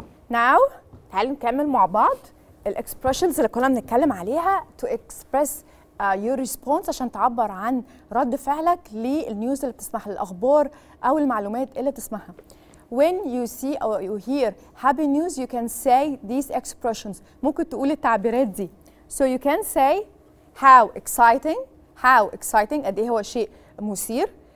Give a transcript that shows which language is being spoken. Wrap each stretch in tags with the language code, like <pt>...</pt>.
<ar>Now تعالوا نكمل مع بعض الاكسبريشنز اللي كنا بنتكلم عليها</ar> <en>to express your response</en> <ar>عشان تعبر عن رد فعلك للنيوز اللي بتسمعها الاخبار او المعلومات اللي بتسمعها.</ar> <en>When you see or you hear happy news you can say these expressions.</en> <ar>ممكن تقول التعبيرات دي.</ar> <en>So you can say how exciting. How exciting</en> <ar>قد ايه هو شيء مثير.</ar>